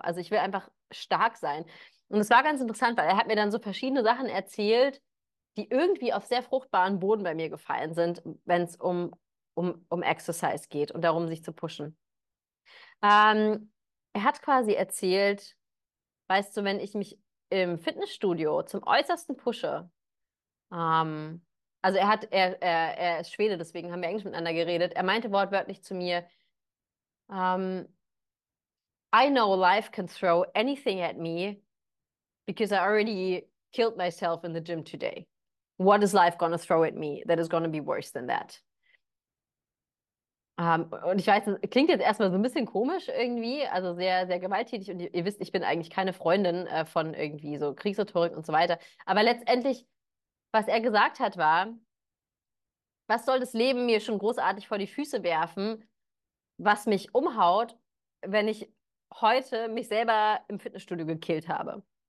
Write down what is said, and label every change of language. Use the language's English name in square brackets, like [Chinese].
[German] Also ich will einfach stark sein. Und es war ganz interessant, weil er hat mir dann so verschiedene Sachen erzählt, die irgendwie auf sehr fruchtbaren Boden bei mir gefallen sind, wenn es um Exercise geht und darum, sich zu pushen. Er hat quasi erzählt, weißt du, wenn ich mich im Fitnessstudio zum Äußersten pushe, also er ist Schwede, deswegen haben wir Englisch miteinander geredet. [English] Er meinte wortwörtlich zu mir, I know life can throw anything at me because I already killed myself in the gym today. What is life gonna throw at me that is gonna be worse than that? [German] Und ich weiß, das klingt jetzt erstmal so ein bisschen komisch irgendwie, also sehr, sehr gewalttätig. Und ihr wisst, ich bin eigentlich keine Freundin von irgendwie so Kriegsrhetorik und so weiter. Aber letztendlich, was er gesagt hat, war, was soll das Leben mir schon großartig vor die Füße werfen, was mich umhaut, wenn ich heute mich selber im Fitnessstudio gekillt habe?